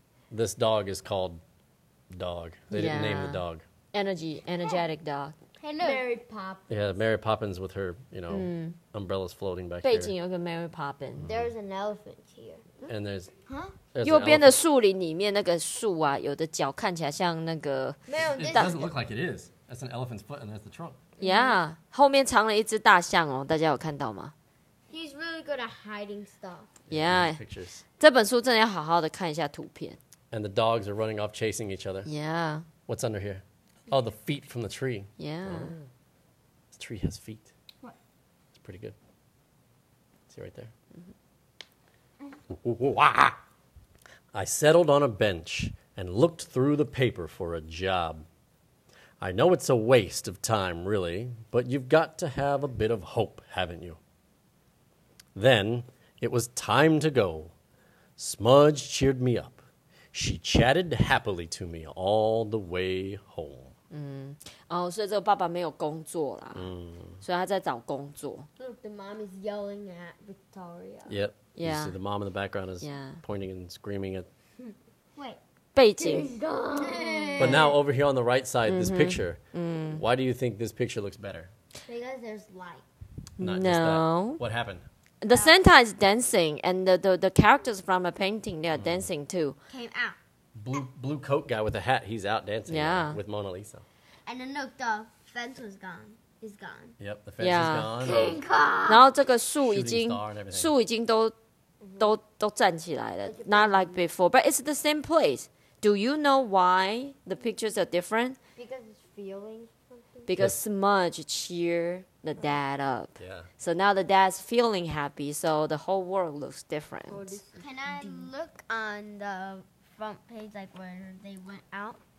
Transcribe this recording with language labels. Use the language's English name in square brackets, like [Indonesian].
[English] This dog is called Dog. They didn't name the dog. Energetic dog. Hello. Mary Poppins. Yeah, Mary Poppins with her, you know, umbrellas floating back [Chinese] 背景有个 Mary Poppins. [English] There's an elephant here. And there's... Huh? [Chinese] 右边的树林里面那个树啊，有的脚看起来像那个... [English] It doesn't look like it is. That's an elephant's foot and there's the trunk. [Chinese] Yeah, 后面藏了一只大象哦，大家有看到吗? [English] He's really good at hiding stuff. Yeah. Pictures. [Chinese] 这本书真的要好好的看一下图片。 [English] And the dogs are running off chasing each other. Yeah. What's under here? Oh, the feet from the tree. Yeah. Oh. This tree has feet. What? It's pretty good. See right there? Mm-hmm. I settled on a bench and looked through the paper for a job. I know it's a waste of time, really, but you've got to have a bit of hope, haven't you? Then it was time to go. Smudge cheered me up. She chatted happily to me all the way home. [Chinese] 嗯，哦，所以这个爸爸没有工作啦，所以他在找工作。 [English] Look, the mom is yelling at Victoria. Yep. Yeah. You see the mom in the background is pointing and screaming at. Wait. [Chinese] 背景。 [English] But now over here on the right side, this picture. Why do you think this picture looks better? Because there's light. No. What happened? The Santa is dancing, and the characters from a painting they are dancing too. Came out. Blue coat guy with a hat, he's out dancing with Mona Lisa. And then look, the fence was gone. He's gone. Yep, the fence is gone. King Kong! [Chinese] 然后这个树已经都站起来了。 [English] Not like before, but it's the same place. Do you know why the pictures are different? Because it's feeling something. Because yes. Smudge cheer the dad up. Yeah. So now the dad's feeling happy, so the whole world looks different. Can I look on the front page, like where they went out?